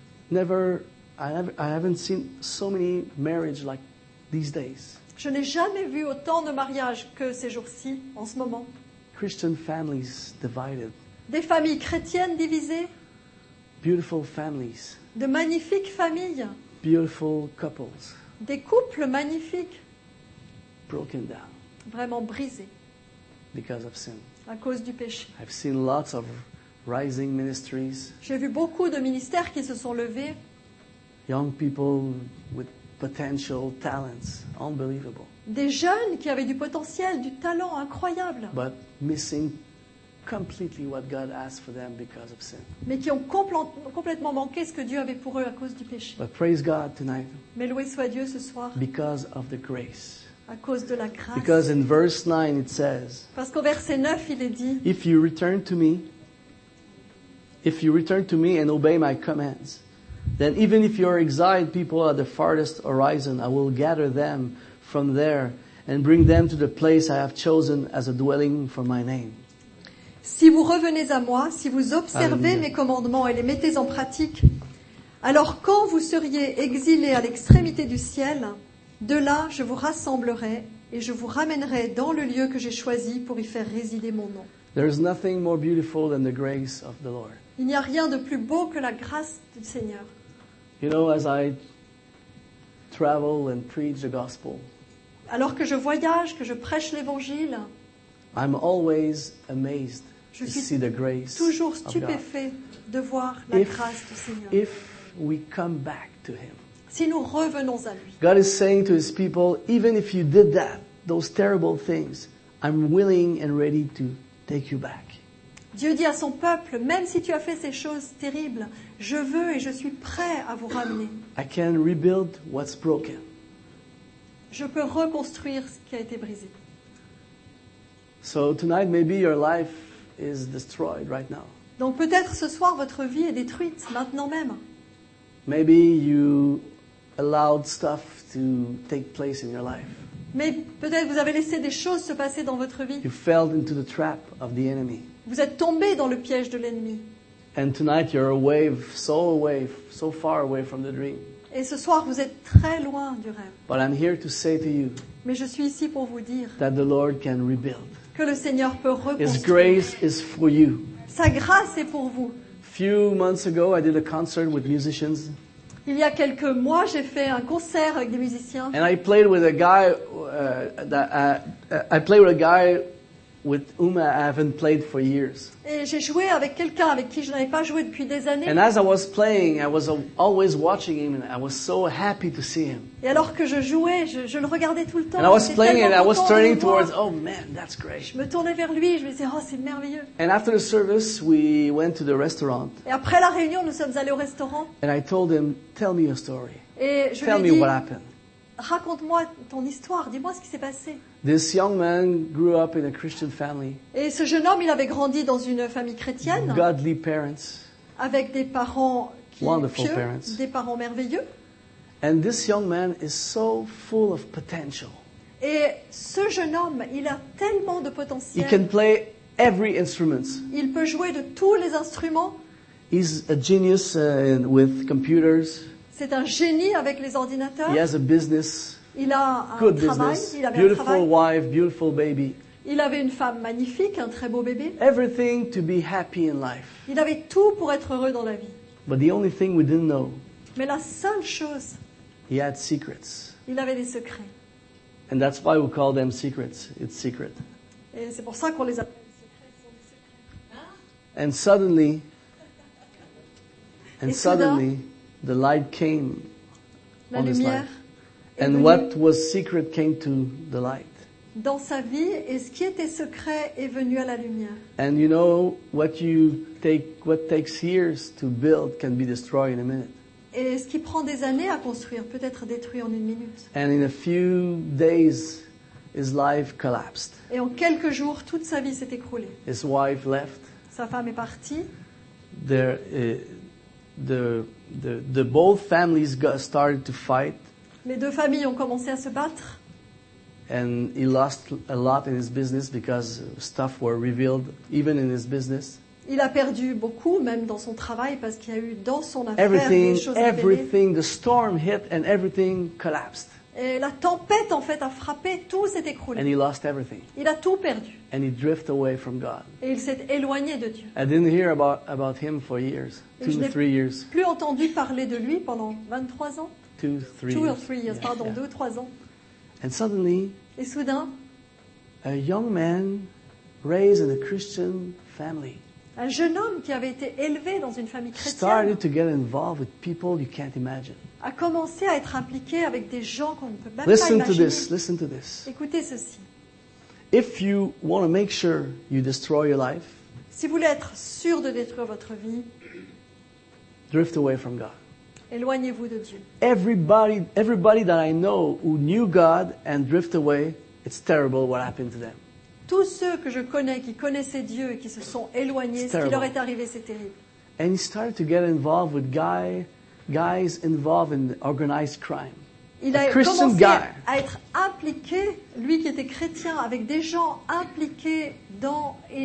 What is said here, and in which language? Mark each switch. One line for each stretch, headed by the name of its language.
English: Never, I haven't seen so many marriages like these days.
French: Je n'ai jamais vu autant de mariages que ces jours-ci, en ce moment.
English: Christian families divided.
French: Des familles chrétiennes divisées.
English: Beautiful families.
French: De magnifiques familles.
English: beautiful couples.
French: Des couples magnifiques.
English: Broken down.
French: Vraiment brisés.
English: Because of sin.
French: À cause du péché.
English: I've seen lots of rising ministries.
French: J'ai vu beaucoup de ministères qui se sont levés.
English: Young people with potential talents, unbelievable.
French: Des jeunes qui avaient du potentiel, du talent incroyable.
English: But missing completely what God asked for them because of sin.
French: Mais qui ont complètement manqué ce que Dieu avait pour eux à cause du péché.
English: But praise God tonight.
French: Mais loué soit Dieu ce soir.
English: Because of the grace.
French: À cause de la grâce.
English: Because in verse 9 it says.
French: Parce qu'au verset 9 il est dit.
English: If you return to me and obey my commands, then even if you are exiled people at the farthest horizon, I will gather them from there and bring them to the place I have chosen as a dwelling for my name.
French: Si vous revenez à moi, si vous observez mes commandements et les mettez en pratique, alors quand vous seriez exilés à l'extrémité du ciel, de là je vous rassemblerai et je vous ramènerai dans le lieu que j'ai choisi pour y faire résider mon nom.
English: There is nothing more beautiful than the grace of the Lord.
French: Il n'y a rien de plus beau que la grâce du Seigneur.
English: You know, as I travel and preach the gospel,
French: alors que je voyage, que je prêche l'Évangile,
English: I'm always amazed
French: je suis
English: to see the grace
French: toujours stupéfait
English: of God.
French: De voir la
English: if,
French: grâce du Seigneur.
English: If we come back to him,
French: si nous revenons à lui,
English: God is saying to his people, even if you did that, those terrible things, I'm willing and ready to take you back.
French: Dieu dit à son peuple, même si tu as fait ces choses terribles, je veux et je suis prêt à vous ramener.
English: I can rebuild what's broken.
French: Je peux reconstruire ce qui a été brisé.
English: So tonight maybe your life is destroyed right now.
French: Donc peut-être ce soir votre vie est détruite maintenant même.
English: Maybe you allowed stuff to take place in your life.
French: Mais peut-être vous avez laissé des choses se passer dans votre vie.
English: You fell into the trap of the enemy.
French: Vous êtes tombé dans le piège de l'ennemi.
English: And tonight you're away, so far away from the dream.
French: Et ce soir vous êtes très loin du rêve.
English: But I'm here to say to you.
French: Mais je suis ici pour vous dire.
English: That the Lord can rebuild.
French: Que le Seigneur peut reconstruire.
English: His grace is for you.
French: Sa grâce est pour vous.
English: Few months ago I did a concert with musicians.
French: Il y a quelques mois, j'ai fait un concert avec des musiciens.
English: And I played with a guy I played with a guy with whom I haven't played for years.
French: Et j'ai joué avec quelqu'un avec qui je n'avais pas joué depuis des années.
English: And as I was playing, I was always watching him and I was so happy to see him.
French: Et alors que je jouais, je le regardais tout le temps.
English: And I was playing and I was turning towards, oh man, that's great.
French: Je me tournais vers lui, je me disais, oh c'est merveilleux.
English: And after the service, we went to the restaurant.
French: Et après la réunion, nous sommes allés au restaurant.
English: And I told him, tell me your story.
French: Et je
English: tell
French: lui ai dit,
English: what happened.
French: Raconte-moi ton histoire, dis-moi ce qui s'est passé.
English: This young man grew up in a Christian family.
French: Et ce jeune homme, il avait grandi dans une famille chrétienne.
English: Godly parents.
French: Avec des parents qui
English: wonderful
French: pieux,
English: parents.
French: Des parents merveilleux.
English: And this young man is so full of potential.
French: Et ce jeune homme, il a tellement de potentiel.
English: He can play every instrument.
French: Il peut jouer de tous les instruments.
English: He's a genius with computers.
French: C'est un génie avec les ordinateurs.
English: He has a business.
French: Il a un
English: good
French: travail,
English: business,
French: il avait
English: beautiful
French: un travail.
English: Wife, beautiful baby.
French: Il avait une femme magnifique, un très beau bébé.
English: Everything to be happy in life.
French: Il avait tout pour être heureux dans la vie.
English: But the only thing we didn't know.
French: Mais la seule chose.
English: He had secrets.
French: Il avait des secrets.
English: And that's why we call them secrets. It's secret.
French: Et c'est pour ça qu'on les appelle secrets.
English: And suddenly. And suddenly, the light came on his life. And What was secret came to the light.
French: Dans sa vie, et ce qui était secret est venu à la lumière.
English: And you know what you take, what takes years to build can be destroyed in a minute.
French: Et ce qui prend des années à construire peut être détruit en une minute.
English: And in a few days, his life collapsed.
French: Et en quelques jours, toute sa vie s'est écroulée.
English: His wife left.
French: Sa femme est partie.
English: The both families started to fight.
French: Les deux familles ont commencé à se battre.
English: And he lost a lot in his business because stuff were revealed even in his business.
French: Il a perdu beaucoup même dans son travail parce qu'il y a eu dans son affaire
English: everything,
French: des choses révélées.
English: Everything, the storm hit and everything collapsed.
French: Et la tempête en fait a frappé, tout s'est écroulé.
English: And he lost everything.
French: Il a tout perdu.
English: And he drifted away from God.
French: Et il s'est éloigné de Dieu.
English: I didn't hear about him for years, two or three years.
French: Plus entendu parler de lui pendant 23 ans.
English: two or three years.
French: Yeah. Pardon, 2 ou 3 ans.
English: And suddenly,
French: et soudain,
English: a young man raised in a Christian family.
French: Un jeune homme qui avait été élevé dans une famille chrétienne.
English: Started to get involved with people you can't imagine.
French: A commencé à être impliqué avec des gens qu'on ne peut même pas imaginer.
English: Listen to this. Listen to this.
French: Écoutez ceci.
English: If you want to make sure you destroy your life,
French: si vous voulez être sûr de détruire votre vie,
English: drift away from God.
French: Éloignez-vous de Dieu.
English: Everybody that I know who knew God and drift away, it's terrible what happened to them.
French: Tous ceux que je connais qui connaissaient Dieu et qui se sont éloignés, ce qui leur est arrivé, c'est terrible.
English: And he started to get involved with guys involved in organized crime.
French: Il a commencé à être impliqué, lui qui était chrétien, avec des gens impliqués dans